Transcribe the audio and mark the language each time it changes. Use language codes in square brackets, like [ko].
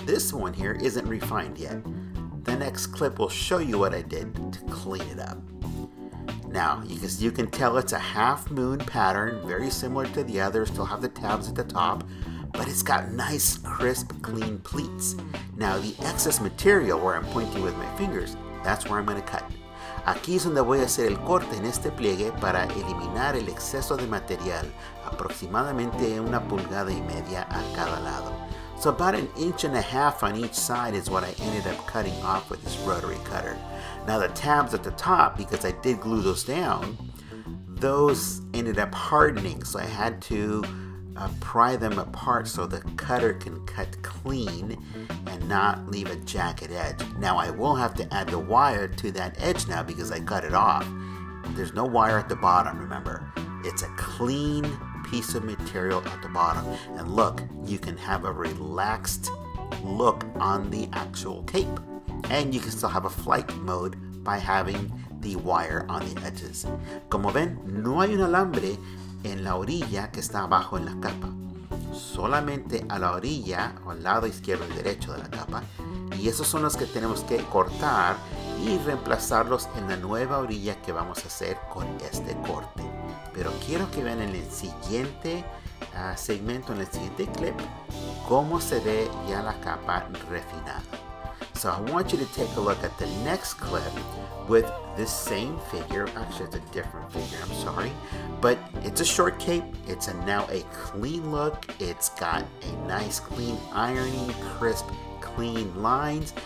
[en] This one here isn't refined yet. The next clip will show you what I did to clean it up. Now, you can tell it's a half moon pattern, very similar to the others, still have the tabs at the top, but it's got nice, crisp, clean pleats. Now, the excess material where I'm pointing with my fingers, that's where I'm gonna cut. [es] Aquí es donde voy a hacer el corte en este pliegue para eliminar el exceso de material, aproximadamente una pulgada y media a cada lado. [en] So about an inch and a half on each side is what I ended up cutting off with this rotary cutter. Now the tabs at the top, because I did glue those down, those ended up hardening, so I had to pry them apart so the cutter can cut clean and not leave a jagged edge. Now I will have to add the wire to that edge now because I cut it off. There's no wire at the bottom, remember. It's a clean piece of material at the bottom. And look, you can have a relaxed look on the actual cape. And you can still have a flight mode by having the wire on the edges. [es] Como ven, no hay un alambre en la orilla que está abajo en la capa. Solamente a la orilla, o al lado izquierdo y derecho de la capa. Y esos son los que tenemos que cortar y reemplazarlos en la nueva orilla que vamos a hacer con este corte. Pero quiero que vean en el siguiente segmento, en el siguiente clip, cómo se ve ya la capa refinada. [en] So I want you to take a look at the next clip with this same figure. Actually, it's a different figure, I'm sorry. But it's a short cape. It's now a clean look. It's got a nice, clean, ironing, crisp, clean. clean lines.